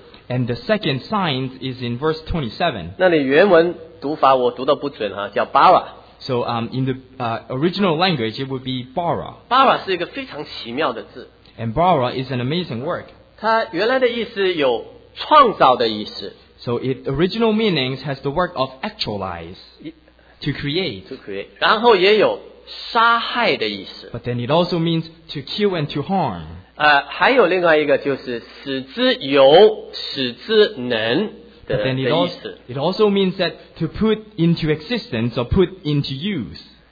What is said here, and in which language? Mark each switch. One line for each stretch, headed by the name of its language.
English: And the second sign is in verse 27.
Chinese: 那里原文读法我读得不准啊,
English: so in the original language, it would be bara.
Chinese: Bara 是一个非常奇妙的字。
English: And bara is an amazing word.
Chinese: 它原来的意思有创造的意思。
English: So its original meanings has the word of actualize, to create. To create.
Chinese: 然后也有杀害的意思。
English: But then it also means to kill and to harm.
Chinese: 还有另外一个就是使之有使之能。
English: But then it also means that to put into existence or put into use.